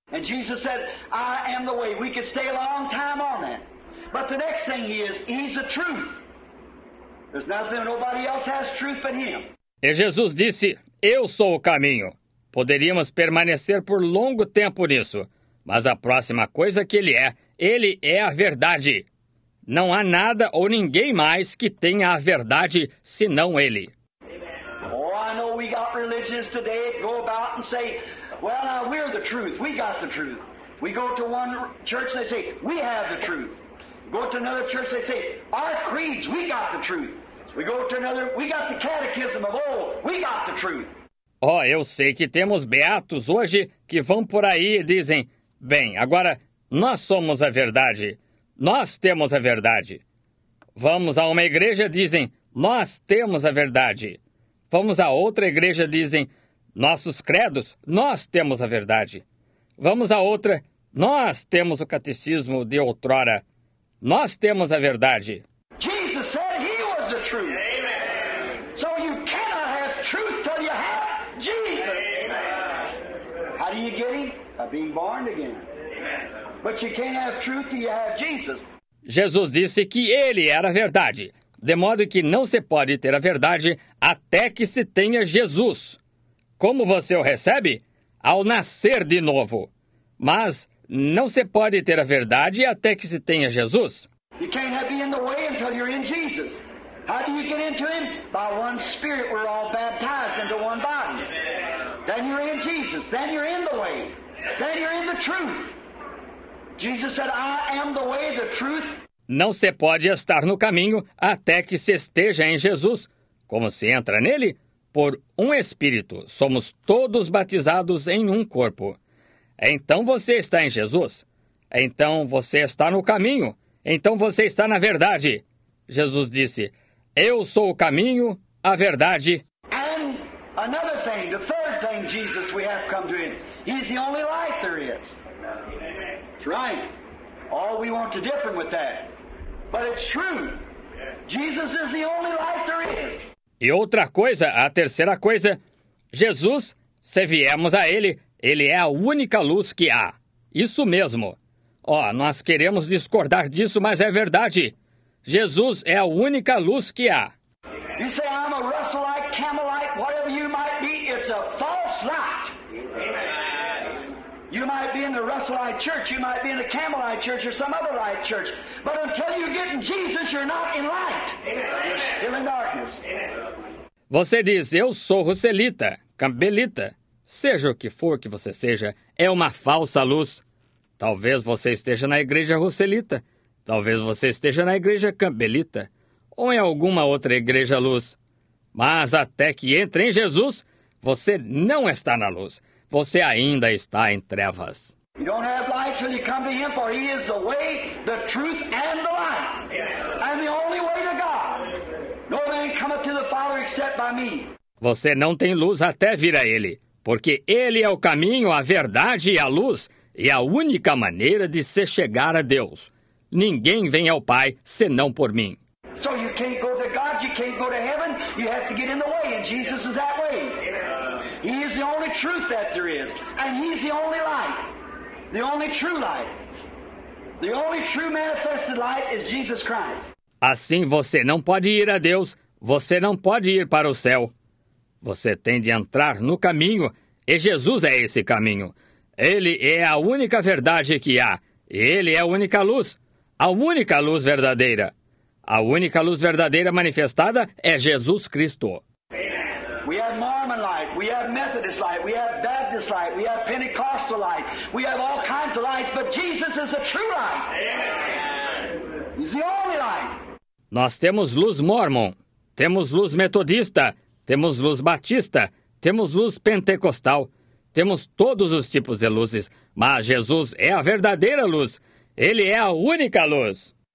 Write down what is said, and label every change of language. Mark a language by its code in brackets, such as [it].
[en] And Jesus said, I am the way. We could stay a long time on that. But the next thing he's the truth. There's nothing, nobody else has truth but him. [pt] E Jesus disse, eu sou o caminho. Poderíamos permanecer por longo tempo nisso. Mas a próxima coisa que ele é a verdade. Não há nada ou ninguém mais que tenha a verdade, senão ele. [en] Oh, I know we got religions today that go about and say, well, now we're the truth. We got the truth. We go to one church, they say, we have the truth. Go to another church, they say, our creeds, we got the truth. We go to another, we got the catechism of old, we got the truth. [pt] Oh, eu sei que temos beatos hoje que vão por aí e dizem, bem, agora, nós somos a verdade. Nós temos a verdade. Vamos a uma igreja, dizem, nós temos a verdade. Vamos a outra igreja, dizem, nossos credos, nós temos a verdade. Vamos a outra, nós temos o catecismo de outrora. Nós temos a verdade. [en] Jesus said he was the truth. Amen. So you cannot have truth till you have Jesus. Amen. How do you get him? By being born again. But you can't have truth till you have Jesus. [pt] Jesus disse que ele era a verdade, de modo que não se pode ter a verdade até que se tenha Jesus. Como você o recebe? Ao nascer de novo. Mas não se pode ter a verdade até que se tenha Jesus. [en] You can't have been in the way until you're in Jesus. How do you get into him? By one spirit we're all baptized into one body. Then you're in Jesus. Then you're in the way. Then you're in the truth. Jesus said, I am the way, the truth. [pt] Não se pode estar no caminho até que se esteja em Jesus. Como se entra nele? Por um espírito. Somos todos batizados em um corpo. Então você está em Jesus. Então você está no caminho. Então você está na verdade. Jesus disse, eu sou o caminho, a verdade. [en] And another thing, the third thing Jesus we have come to him. He's the only light there is. Right. All we want to differ with that. But it's true. Jesus is the only light there is. [pt] E outra coisa, a terceira coisa, Jesus, se viemos a ele, ele é a única luz que há. Isso mesmo. Ó, nós queremos discordar disso, mas é verdade. Jesus é a única luz que há. [en] You say I'm a Russellite, Camelite, whatever you might be, it's a false light. Amen. You might be in the Russellite church, you might be in the Camelite church or some other light church, but until you get in Jesus, you're not in light. Amen. You're still in darkness. Amen. [pt] Você diz, eu sou Russellita, Campbellita. Seja o que for que você seja, é uma falsa luz. Talvez você esteja na igreja Russellita. Talvez você esteja na igreja Campbellita. Ou em alguma outra igreja luz. Mas até que entre em Jesus, você não está na luz. Você ainda está em trevas. [en] You don't have light till you come to Him, for He is the way, the truth, and the light. And the only way to God. No man cometh to the Father except by me. [pt] Você não tem luz até vir a Ele. Porque Ele é o caminho, a verdade e a luz, e a única maneira de se chegar a Deus. Ninguém vem ao Pai senão por mim. [en] So you can't go to God, you can't go to heaven, you have to get in the way, and Jesus is that way. He is the only truth that there is, and He's the only light, the only true light. The only true manifested light is Jesus Christ. [pt] Assim você não pode ir a Deus, você não pode ir para o céu. Você tem de entrar no caminho, e Jesus é esse caminho. Ele é a única verdade que há, e Ele é a única luz verdadeira. A única luz verdadeira manifestada é Jesus Cristo. [en] We have Mormon light, we have Methodist light, we have Baptist light, we have Pentecostal light, we have all kinds of lights, but Jesus is the true light. He's the only light. [pt] Nós temos luz Mormon, temos luz Metodista, temos luz batista, temos luz pentecostal, temos todos os tipos de luzes, mas Jesus é a verdadeira luz. Ele é a única luz.